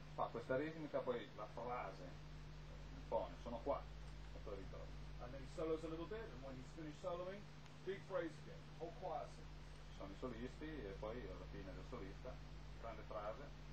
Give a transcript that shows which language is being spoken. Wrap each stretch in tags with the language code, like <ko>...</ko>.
<it>Questa ritmica poi la frase buona, sono qua e poi ritorno.</it> <en>And then he solos a little bit and when he's finished soloing, big phrase again, whole choir sing.</en> <it>Sono i solisti e poi alla fine del solista, grande frase.</it>